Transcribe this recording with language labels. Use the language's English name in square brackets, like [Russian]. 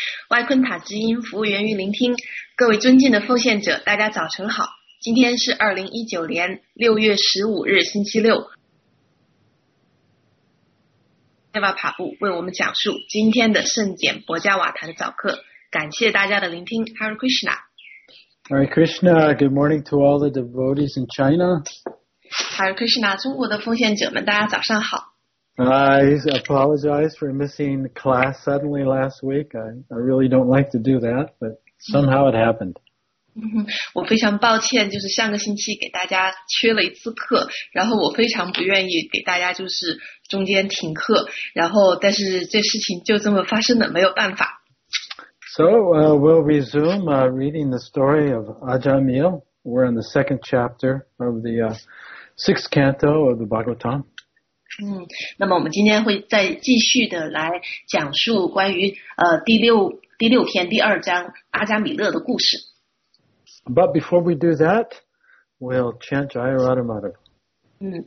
[Chinese] 外困塔之音服务员与聆听，各位尊敬的奉献者，大家早晨好。今天是2019年6月15日，星期六。夜瓦帕布为我们讲述今天的圣简博加瓦塔的早课，感谢大家的聆听。 [Sanskrit] Hare Krishna。 Hare Krishna, [English] good morning to all the devotees in China. [Sanskrit] Hare Krishna, [Chinese] 中国的奉献者们，大家早上好。 [English] I apologize for missing class suddenly last week. I really don't like to do that, but somehow it happened. [Chinese] 我非常抱歉，就是上个星期给大家缺了一次课，然后我非常不愿意给大家就是中间停课，然后但是这事情就这么发生了，没有办法。 [English] So we'll resume reading the story of Ajamil. We're in the second chapter of the sixth canto of the Bhagavatam. [Chinese] 那么我们今天会再继续的来讲述关于第六篇第二章阿加米勒的故事。 [English] But before we do that, we'll chant Jaya Radha Madhava.